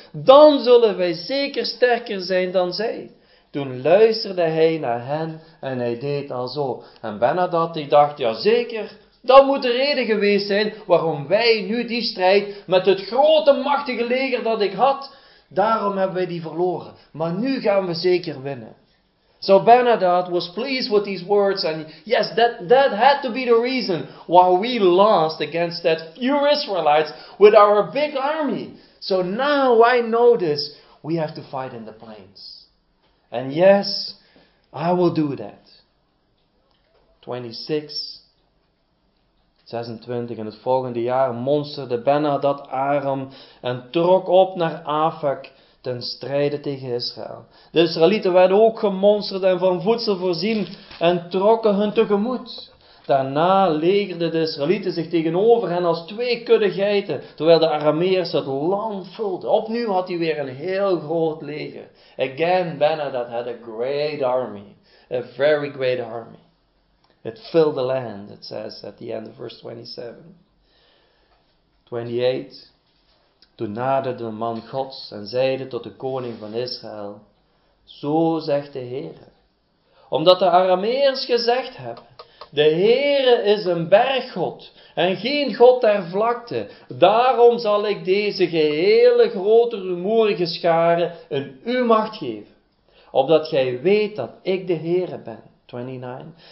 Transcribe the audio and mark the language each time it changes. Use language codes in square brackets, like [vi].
[nl] Dan zullen wij zeker sterker zijn dan zij. Toen luisterde hij naar hen en hij deed al zo. En Ben-Hadad die dacht, ja zeker, dat moet de reden geweest zijn waarom wij nu die strijd met het grote machtige leger dat ik had, Daarom hebben wij die verloren. Maar nu gaan we zeker winnen. [en] So Ben-Hadad was pleased with these words, and yes, that had to be the reason why we lost against that few Israelites with our big army. So now I know this, we have to fight in the plains. And yes, I will do that. [nl] 26, 26, in het volgende jaar monsterde Ben-Hadad Aram en trok op naar Afek. Ten strijde tegen Israël. De Israëlieten werden ook gemonsterd en van voedsel voorzien en trokken hun tegemoet. Daarna legerden de Israëlieten zich tegenover hen als twee kudde geiten, terwijl de Arameërs het land vulden. Opnieuw had hij weer een heel groot leger. [en] Again, Ben-Hadad had a great army. A very great army. It filled the land, it says at the end of verse 27. [nl] 28. Toen naderde de man Gods en zeide tot de koning van Israël, zo zegt de Heere, omdat de Arameërs gezegd hebben, de Heere is een berggod en geen god der vlakte, daarom zal ik deze gehele grote rumoerige scharen in uw macht geven, opdat gij weet dat ik de Heere ben. 29.